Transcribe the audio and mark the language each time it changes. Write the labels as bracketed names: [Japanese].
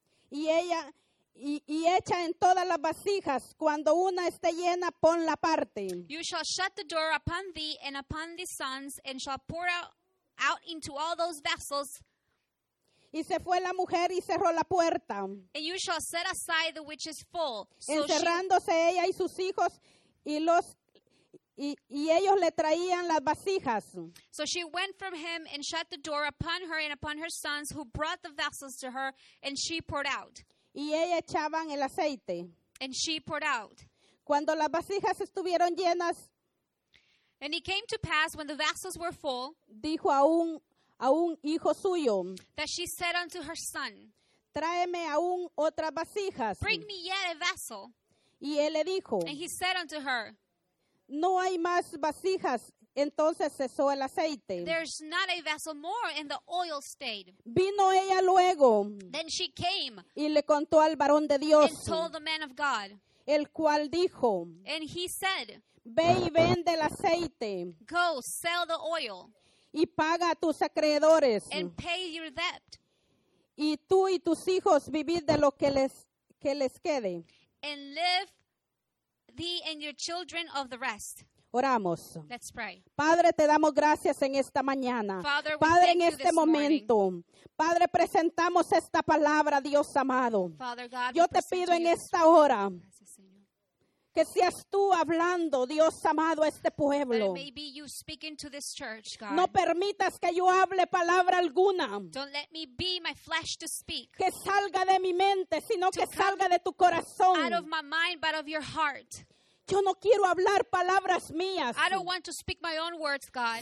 [Spanish] y ella y echa en todas las vasijas, cuando una esté llena, pon la parte. [English] You shall shut the door upon thee and upon thy sons, and shall pour out into all those vessels. [Spanish] Y se fue la mujer y cerró la puerta. [English] And you shall set aside the which is full. [Spanish] Encerrándose ella y sus hijos y ellos le traían las vasijas. [English] So she went from him and shut the door upon her and upon her sons, who brought the vessels to her, and she poured out. [Spanish] Y ella echaban el aceite. [English] And she poured out. [Spanish] Cuando las vasijas estuvieron llenas, [English] and it came to pass when the vessels were full, [Spanish] dijo a un hijo suyo, [English] that she said unto her son, [Spanish] tráeme aún otras vasijas. [English] Bring me yet a vessel. [Spanish] Y él le dijo, [English] and he said unto her, [Spanish] no hay más vasijas. Entonces cesó el aceite. [English] There's not a vessel more, and the oil stayed. [Spanish] Vino ella luego. [English] Then she came. [Spanish] Y le contó al varón de Dios. [English] And told the man of God. [Spanish] El cual dijo, [English] and he said, [Spanish] ve y vende el aceite. [English] Go, sell the oil. [Spanish] Y paga a tus acreedores. [English] And pay your debt. [Spanish] Y tú y tus hijos vivid de lo que les quede. [English] And live thee and your children of the rest. [Spanish] Oramos. [English] Let's pray. [Spanish] Padre, te damos gracias en esta mañana. [English] Father, [Spanish] Padre, [English] thank [Spanish] en este [English] you [Spanish] momento. [English] Morning. [Spanish] Padre, presentamos esta palabra, Dios amado. [English] Father God, [Spanish] yo te pido en esta hora que seas tú hablando, Dios amado, a este pueblo. [English] That it may be you speaking to this church, God. [Spanish] No permitas que yo hable palabra alguna. [English] Don't let me be my flesh to speak. [Spanish] Que salga de mi mente, sino que salga de tu corazón. [English] Out of my mind, but of your heart. [Spanish] Yo no quiero hablar palabras mías. [English] I don't want to speak my own words, God.